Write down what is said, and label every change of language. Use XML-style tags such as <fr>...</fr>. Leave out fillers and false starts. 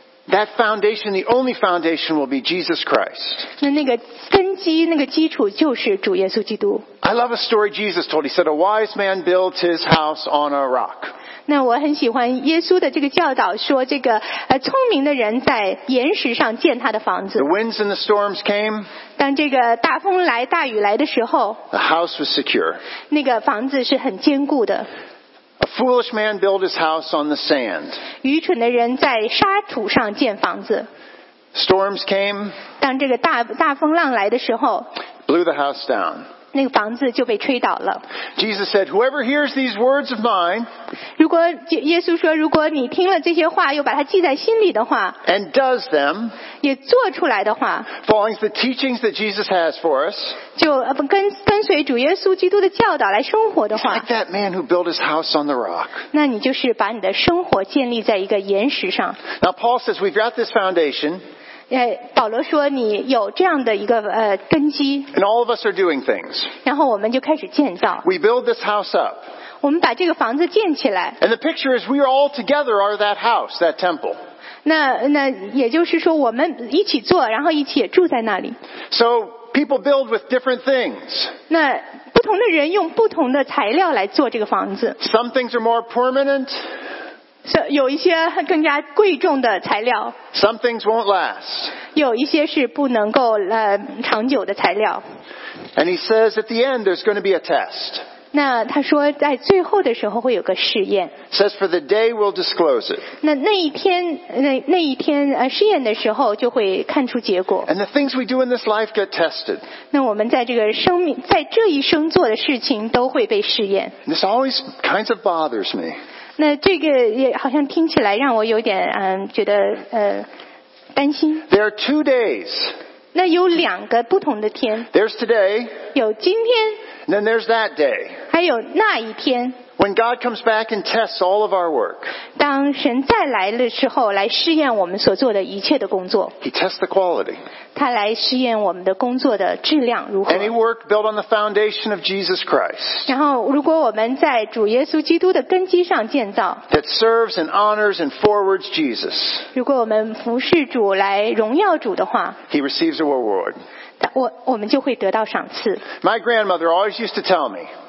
<en>That foundation, the only foundation, will be Jesus Christ.</en> <zh>那个根基，那个基础就是主耶稣基督。</zh> <en>I love a story Jesus told. He said, "A wise man built his house on a rock."</en> <zh>那我很喜欢耶稣的这个教导，说这个聪明的人在岩石上建他的房子。</zh> <en>The winds and the storms came.</en> <zh>当这个大风来、大雨来的时候</zh> <en>，The house was secure.</en> <zh>那个房子是很坚固的。</zh> <en>A foolish man built his house on the sand.</en> <zh>愚蠢的人在沙土上建房子。</zh> <en>Storms came.</en> <zh>当这个大风浪来的时候。</zh> <en>Blew the house down.</en> <zh>那个房子就被吹倒了。</zh> <en>Jesus said, "Whoever hears these words of mine,"</en> <zh>如果耶稣说，如果你听了这些话，又把它记在心里的话</zh> <en>，and does them，</en> <zh>也做出来的话</zh> <en>，follows the teachings that Jesus has for us，</en> <zh>就跟随主耶稣基督的教导来生活的话</zh> <en>，like that man who built his house on the rock，</en> <zh>那你就是把你的生活建立在一个岩石上。</zh> <en>Now Paul says, "We've got this foundation."</en> <zh>保罗说你有这样的一个根基</zh> <en>And all of us are doing things.</en> <zh>然后我们就开始建造</zh> <en>We build this house up.</en> <zh>我们把这个房子建起来</zh> <en>And the picture is we are all together are that house, that temple.</en> <zh>那也就是说我们一起做然后一起也住在那里</zh> <en>So people build with different things.</en> <zh>那不同的人用不同的材料来做这个房子</zh> <en>Some things are more permanent.</en> <zh>有一些更加贵重的材料</zh> <en>Some things won't last.</en> <zh>有一些是不能够长久的材料</zh> <en>And he says at the end there's going to be a test.</en> <zh>那他说在最后的时候会有个试验</zh> <en>Says for the day we'll disclose it.</en> <zh>那一天试验的时候就会看出结果</zh> <en>And the things we do in this life get tested.</en> <zh>那我们在这个生命在这一生做的事情都会被试验</zh> <en>This always kind of bothers me.</en> <zh>那这个也好像听起来让我有点觉得担心。</zh> <en>There are 2 days.</en> <zh>那有两个不同的天。</zh> <en>There's today.</en> <zh>有今天。</zh> <en>And then there's that day.</en> <zh>还有那一天。</zh> <en>When God comes back and tests all of our work.</en> <zh>当神再来的时候，来试验我们所做的一切的工作。</zh> <en>He tests the quality.</en> <zh>他来试验我们的工作的质量如何。</zh> <en>Any work built on the foundation of Jesus Christ.</en> <zh>然后，如果我们在主耶稣基督的根基上建造。</zh> <en>That serves and honors and forwards Jesus.</en> <zh>如果我们服侍主来荣耀主的话。</zh> <en>He receives a reward.</en> <zh>我们就会得到赏赐。</zh> <en>My grandmother always used to tell me.</en>